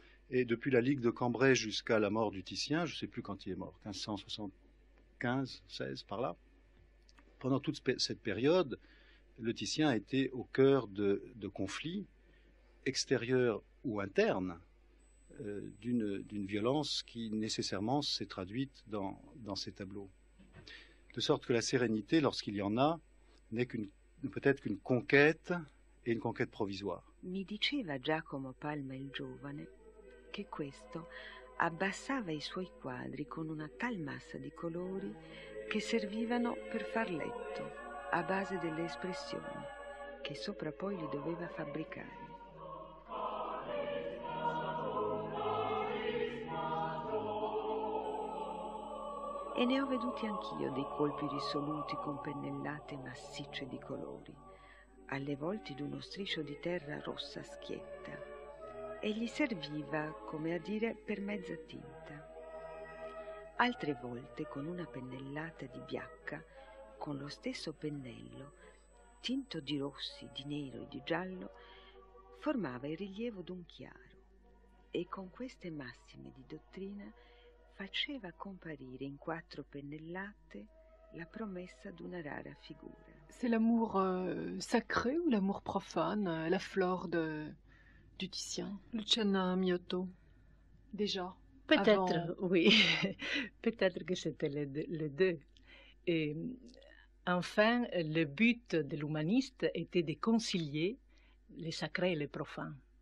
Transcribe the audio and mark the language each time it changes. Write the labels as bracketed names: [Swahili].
[French] Et depuis la Ligue de Cambrai jusqu'à la mort du Titien, je ne sais plus quand il est mort, 1575, 16, par là, pendant toute cette période, le Titien a été au cœur de conflits extérieurs ou internes, d'une violence qui nécessairement s'est traduite dans ses tableaux. De sorte que la sérénité, lorsqu'il y en a, n'est peut-être qu'une conquête et une conquête provisoire. [Italian] Mi diceva Giacomo Palma il giovane che questo abbassava i suoi quadri con una tal massa di colori che servivano per far letto a base delle espressioni che sopra poi li doveva fabbricare. E ne ho veduti anch'io dei colpi risoluti con pennellate massicce di colori, alle volte d'uno striscio di terra rossa schietta, e gli serviva, come a dire, per mezza tinta. Altre volte, con una pennellata di biacca, con lo stesso pennello, tinto di rossi, di nero e di giallo, formava il rilievo d'un chiaro, e con queste massime di dottrina faceva comparire in quattro pennellate la promessa d'una rara figura. [French] C'est l'amour sacré ou l'amour profane, la flore du Titien, Luciana Miotto, déjà? Peut-être, avant... oui. Peut-être que c'était les deux. Et enfin, le but de l'humaniste était de concilier les sacrés et les profanes.